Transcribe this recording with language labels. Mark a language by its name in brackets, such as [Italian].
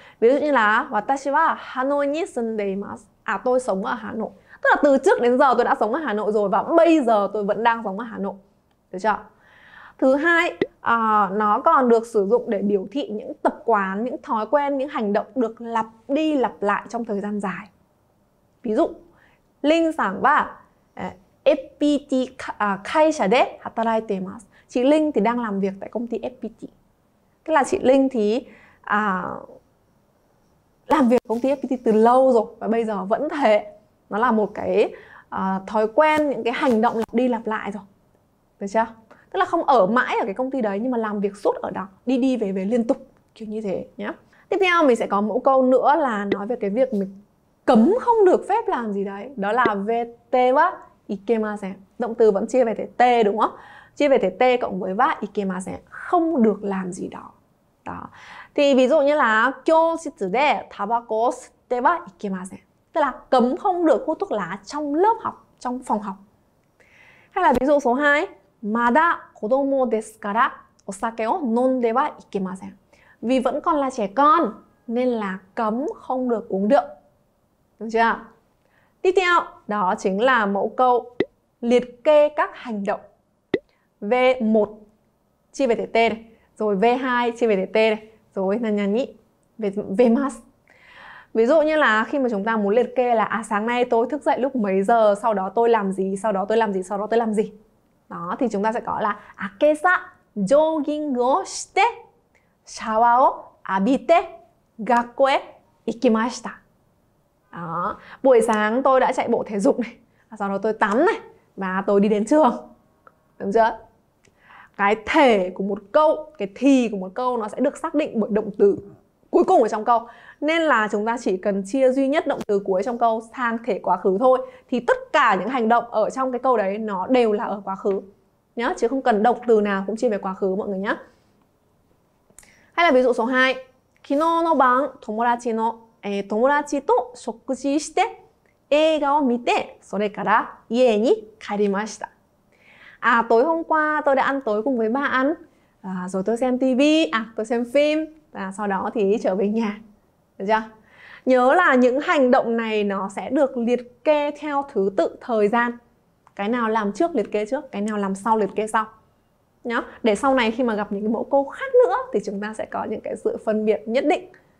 [Vietnamese] Ví dụ như là [Japanese] 私は Hà Nội に住んでいます. [Vietnamese] À, tôi sống ở Hà Nội. Tức là từ trước đến giờ tôi đã sống ở Hà Nội rồi và bây giờ tôi vẫn đang sống ở Hà Nội. Được chưa? Thứ hai, nó còn được sử dụng để biểu thị những tập quán, những thói quen, những hành động được lặp đi lặp lại trong thời gian dài. Ví dụ, [Japanese] 林さんは FPT 会社で働いています. [Vietnamese] Chị Linh thì đang làm việc tại công ty FPT. Tức là chị Linh thì làm việc công ty FPT từ lâu rồi và bây giờ vẫn thế. Nó là một cái thói quen, những cái hành động lặp đi lặp lại rồi. Được chưa? Tức là không ở mãi ở cái công ty đấy nhưng mà làm việc suốt ở đó, đi đi về về liên tục, kiểu như thế nhá. Tiếp theo mình sẽ có mẫu câu nữa là nói về cái việc mình cấm không được phép làm gì đấy. Đó là VT wa ikemasen. Động từ vẫn chia về thể T đúng không? Chia về thể T cộng với wa ikemasen, không được làm gì đó. Đó. Thì ví dụ như là [Japanese] 教室で tabako を吸ってはいけません. [Vietnamese] Tức là cấm không được hút thuốc lá trong lớp học, trong phòng học. Hay là ví dụ số 2, [Japanese] まだ子供ですからお酒を飲んではいけません. [Vietnamese] Vì vẫn còn là trẻ con nên là cấm không được uống rượu. Được chưa? Tiếp theo, đó chính là mẫu câu liệt kê các hành động. V1 chia về thể T này, rồi V2 chia về thể T này, rồi nhanh nhanh nhị về mas. Ví dụ như là khi mà chúng ta muốn liệt kê là sáng nay tôi thức dậy lúc mấy giờ, sau đó tôi làm gì, sau đó tôi làm gì, sau đó tôi làm gì. Đó thì chúng ta sẽ có là [Japanese] akesa jogging をして shower を浴びて学校へ行きました. [Vietnamese] Đó, buổi sáng tôi đã chạy bộ thể dục này, sau đó tôi tắm này và tôi đi đến trường. Đúng chưa? Cái thể của một câu, cái thì của một câu nó sẽ được xác định bởi động từ cuối cùng ở trong câu. Nên là chúng ta chỉ cần chia duy nhất động từ cuối trong câu sang thể quá khứ thôi thì tất cả những hành động ở trong cái câu đấy nó đều là ở quá khứ nhá, chứ không cần động từ nào cũng chia về quá khứ mọi người nhá. Hay là ví dụ số 2, [Japanese] 昨日の晩友達と食事して映画を見てそれから家に帰りました。 [Vietnamese] À, tối hôm qua tôi đã ăn tối cùng với bạn, rồi tôi xem TV, tôi xem phim, sau đó thì trở về nhà. Được chưa? Nhớ là những hành động này nó sẽ được liệt kê theo thứ tự thời gian. Cái nào làm trước liệt kê trước, cái nào làm sau liệt kê sau. Nhớ, để sau này khi mà gặp những cái mẫu câu khác nữa thì chúng ta sẽ có những cái sự phân biệt nhất định.